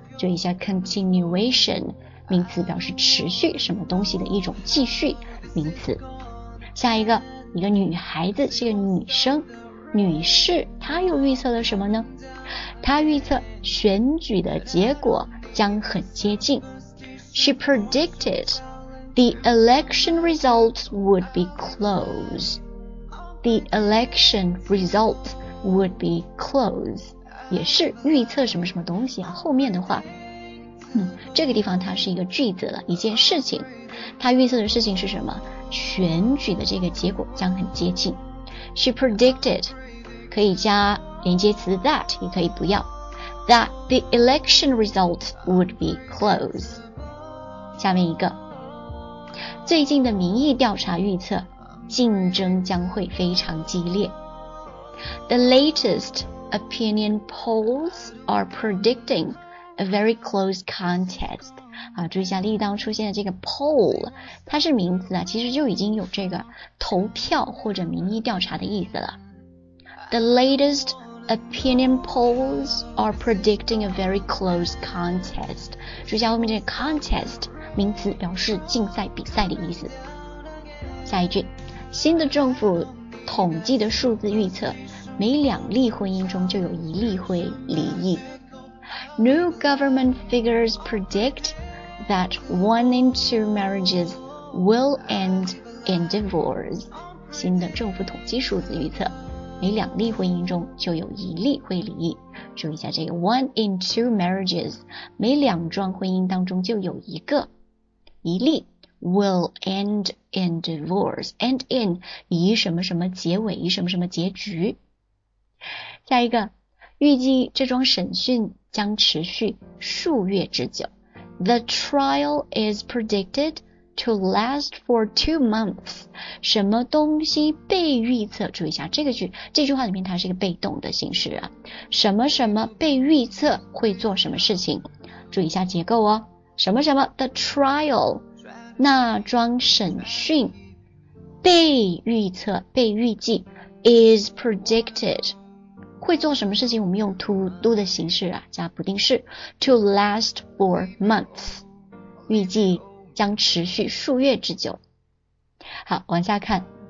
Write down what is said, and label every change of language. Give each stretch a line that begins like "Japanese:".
Chinese: 注意一下 continuation， 名词表示持续什么东西的一种继续名词。下一个，一个女孩子，是个女生女士，她又预测了什么呢？她预测选举的结果将很接近。
English: She predicted the election results would be close. The election results would be close.
Chinese: 也是预测什么什么东西啊，后面的话，这个地方它是一个句子了，一件事情。它预测的事情是什么？选举的这个结果将很接近。
English: She predicted,
Chinese: 可以加连接词 that, 也可以不要。
English: That the election results would be close.
Chinese: 下面一个。最近的民意调查预测竞争将会非常激烈。
English: The latest opinion polls are predicting a very close contest.
Chinese: 好，注意一下例当出现的这个 poll， 它是名词啊，其实就已经有这个投票或者民意调查的意思了。
English: The latest opinion polls are predicting a very close contest.
Chinese: 注意一下后面这个 contest，名词表示竞赛比赛的意思。下一句，新的政府统计的数字预测每两例婚姻中就有一例会离异。
English: New government figures predict that one in two marriages will end in divorce.
Chinese: 新的政府统计数字预测每两例婚姻中就有一例会离异。注意一下这个
English: one in two marriages，
Chinese: 每两桩婚姻当中就有一个一例
English: will end in divorce，
Chinese: end in 以什么什么结尾，以什么什么结局。下一个，预计这桩审讯将持续数月之久。
English: The trial is predicted to last for 2 months.
Chinese: 什么东西被预测，注意一下这个句，这句话里面它是一个被动的形式啊，什么什么被预测会做什么事情，注意一下结构哦。什么什么 the trial， 那桩审讯被预测被预计
English: is predicted
Chinese: 会做什么事情，我们用 to do 的形式啊，加不定式
English: to last for months，
Chinese: 预计将持续数月之久。好，往下看。